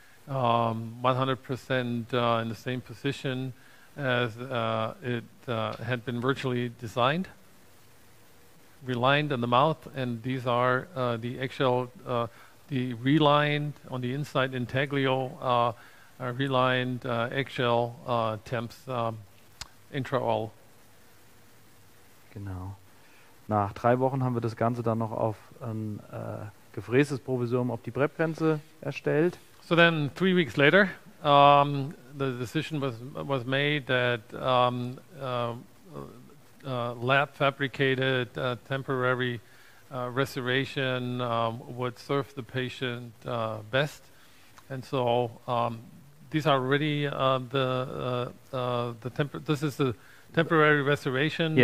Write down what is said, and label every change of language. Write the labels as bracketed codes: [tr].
[en] 100% in the same position as it had been virtually designed, relined in the mouth, and these are the actual, the relined on the inside intaglio, relined actual temps intraoral. [de] Genau. Nach drei Wochen haben wir das Ganze dann noch auf ein gefrästes Provisorium auf die Brettgrenze erstellt. [en] So then, 3 weeks later, the decision was made that lab fabricated temporary restoration would serve the patient best, and so these are already this is the temporary restoration.